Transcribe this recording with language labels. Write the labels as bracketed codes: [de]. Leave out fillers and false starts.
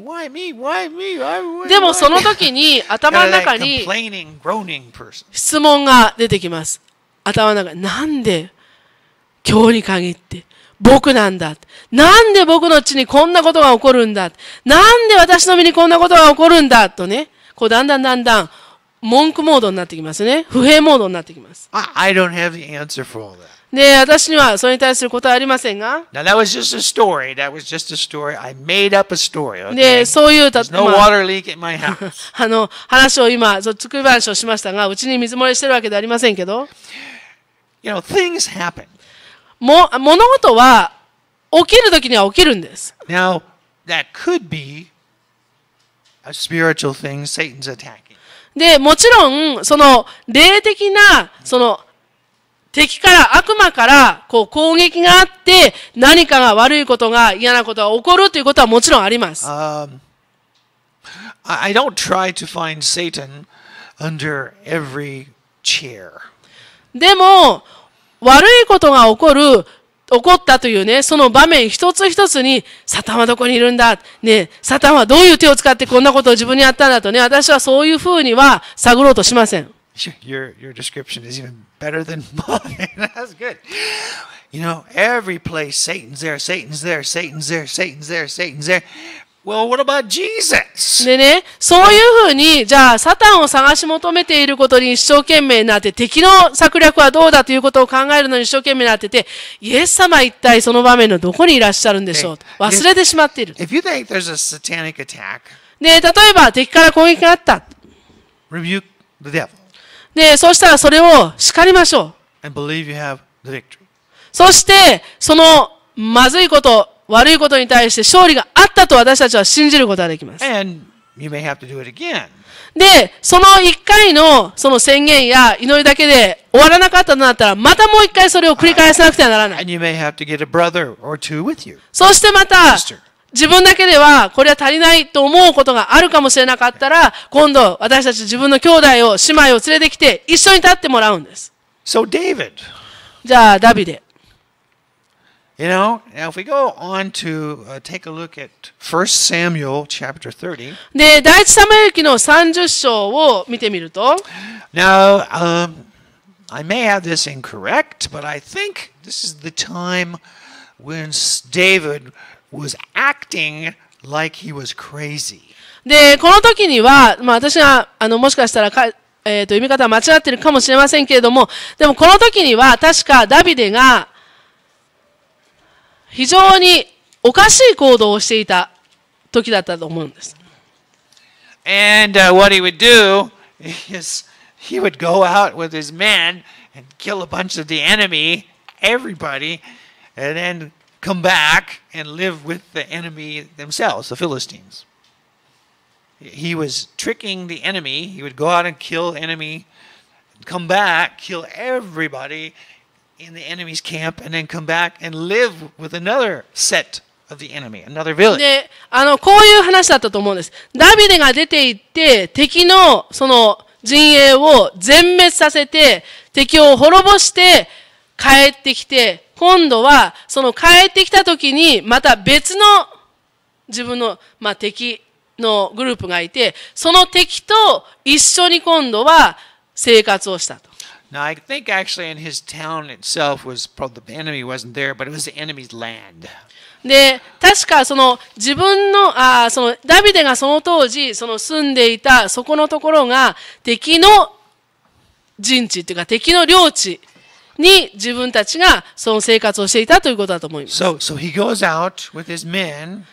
[ja] でもその時に頭の中に質問が出てきます。頭の中、なんで今日に限って僕なんだ。なんで僕の家にこんなことが起こるんだ。なんで私の身にこんなことが起こるんだ。とね、こうだんだんだんだん文句モードになってきますね。不平モードになってきます。 [en] I don't have the answer for all that. [ja] で、私にはそれに対する答えありませんが。 [en] Now that was just a story. That was just a story. I made up a story. [ja] で、そういう例えば。 [en] There's no water leak in my house. [ja] あの、話を今、作り話をしましたが、うちに水漏れしてるわけではありませんけど。 [en] You know, things happen. [ja] も、物事は起きるときには起きるんです。 [en] Now, that could be a spiritual thing, Satan's attack. [ja] でもちろんその霊的なその敵から悪魔からこう攻撃があって何かが悪いことが嫌なことが起こるということはもちろんあります。 [en] I don't try to find Satan under every chair. [ja] でも悪いことが起こったというねその場面一つ一つにサタンはどこにいるんだねサタンはどういう手を使ってこんなことを自分にやったんだとね私はそういうふうには探ろうとしません。 [en] Your description is even better than mine. That's good. You know, every place Satan's there, Satan's there, Satan's there, Satan's there, Satan's there. Well, what about Jesus? [ja] でねそういうふうにじゃあサタンを探し求めていることに一生懸命になって敵の策略はどうだということを考えるのに一生懸命になっててイエス様は一体その場面のどこにいらっしゃるんでしょう忘れてしまっている。 [en] If you think there's a satanic attack, [ja] で例えば敵から攻撃があった。 [en] Rebuke the devil. [ja] でそしたらそれを叱りましょう。 [en] And believe you have the victory. [ja] そしてそのまずいこと悪いことに対して勝利があったと私たちは信じることができます。 [en] And you may have to do it again. [ja] で、その一回のその宣言や祈りだけで終わらなかったとなったら、またもう一回それを繰り返さなくてはならない。 [en] And you may have to get a brother or two with you. [ja] そしてまた、自分だけではこれは足りないと思うことがあるかもしれなかったら、今度私たち自分の兄弟を、姉妹を連れてきて一緒に立ってもらうんです。 [en] So David. [ja] じゃあ、ダビデ。 [en] You know, now if we go on to take a look at 1 Samuel chapter 30. [ja] で、第一サムエル記の30章を見てみると。 [en] Now, I may have this incorrect, but I think this is the time when David was acting like he was crazy. [ja] で、この時には、まあ私が、あの、もしかしたら、読み方は間違ってるかもしれませんけれども、でもこの時には確かダビデが、非常におかしい行動をしていた時だったと思うんです。 [en] And what he would do is he would go out with his men and kill a bunch of the enemy, everybody, and then come back and live with the enemy themselves, the Philistines. He was tricking the enemy. He would go out and kill the enemy, come back, kill everybody. In the enemy's camp, and then come back and live with another set of the enemy, another village. [ja] で、あのこういう話だったと思うんです。ダビデが出て行って敵のその陣営を全滅させて敵を滅ぼして帰ってきて、今度はその帰ってきた時にまた別の自分のまあ敵のグループがいて、その敵と一緒に今度は生活をしたと。 [en] Now, I think actually in his town itself was probably the enemy wasn't there, but it was the enemy's land. [ja] で、確かその自分の、あ、そのダビデがその当時その住んでいたそこのところが敵の陣地というか敵の領地に自分たちがその生活をしていたということだと思います。 [en] So he goes out with his men.